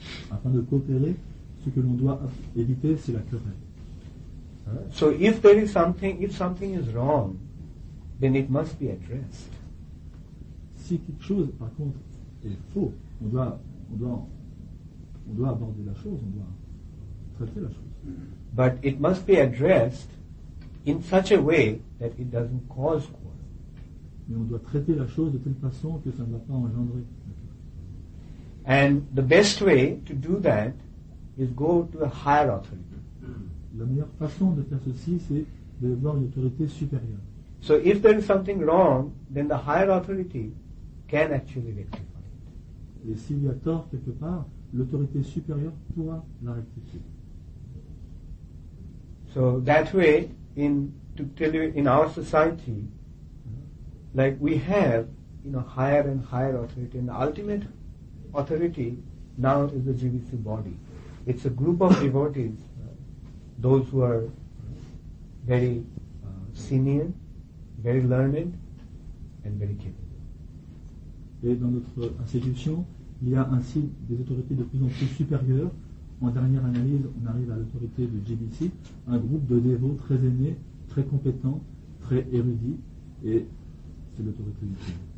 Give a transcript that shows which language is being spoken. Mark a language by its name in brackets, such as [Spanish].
[French] Afin de coopérer, ce que l'on doit éviter, c'est la querelle. [English] So if there is something, if something is wrong, then it must be addressed. [French] Si quelque chose, par contre, est faux, on doit aborder la chose, on doit traiter la chose. [English] But it must be addressed in such a way that it doesn't cause quarrel. [French] Mais on doit traiter la chose de telle façon que ça ne va pas engendrer. [English] And the best way to do that is go to a higher authority. [French] La meilleure façon de faire ceci, c'est de voir une autorité supérieure. [English] So if there is something wrong, then the higher authority can actually rectify it. [French] Et s'il y a tort quelque part, l'autorité supérieure pourra la rectifier. [English] So that way, to tell you, in our society, like we have, you know, higher and higher authority, and the ultimate authority now is the GVC body. It's a group of devotees, those who are very senior, very learned, and very capable. [French] Et dans notre institution, il y a ainsi des autorités de plus en plus supérieures. En dernière analyse, on arrive à l'autorité du GBC, un groupe de dévots très aînés, très compétents, très érudits, et c'est l'autorité du GBC.